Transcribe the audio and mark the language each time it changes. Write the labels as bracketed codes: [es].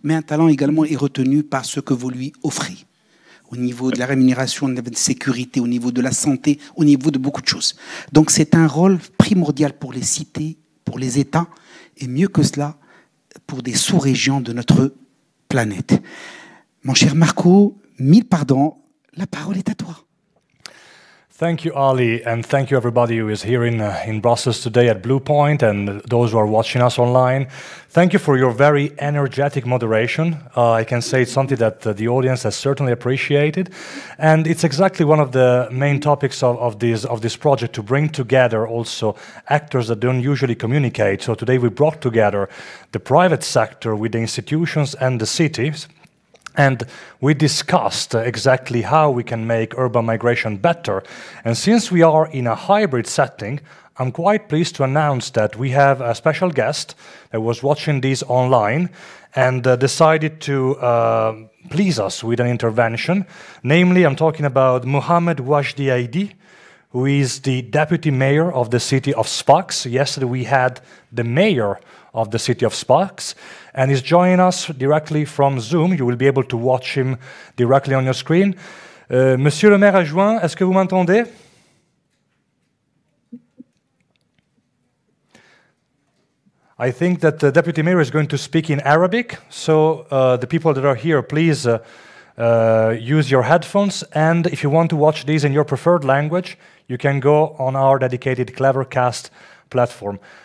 [fr] Mais un talent également est retenu par ce que vous lui offrez. Au niveau de la rémunération, au niveau de la sécurité, au niveau de la santé, au niveau de beaucoup de choses. Donc c'est un rôle primordial pour les cités, pour les États, et mieux que cela, pour des sous-régions de notre planète. Mon cher Marco, mille pardons, la parole est à toi. [en] Thank you, Ali, and thank you everybody who is here in Brussels today at Blue Point and those who are watching us online. Thank you for your very energetic moderation. I can say it's something that the audience has certainly appreciated. And it's exactly one of the main topics of this project, to bring together also actors that don't usually communicate. So today we brought together the private sector with the institutions and the cities. And we discussed exactly how we can make urban migration better. And since we are in a hybrid setting, I'm quite pleased to announce that we have a special guest that was watching this online and decided to please us with an intervention. Namely, I'm talking about Mohamed Wajdi Aidi, who is the deputy mayor of the city of Sfax. Yesterday we had the mayor of the city of Sfax, and he's joining us directly from Zoom. You will be able to watch him directly on your screen. [fr] Monsieur le maire adjoint, est-ce que vous m'entendez? [en] I think that the deputy mayor is going to speak in Arabic, so the people that are here, please use your headphones, and if you want to watch this in your preferred language, you can go on our dedicated Clevercast platform.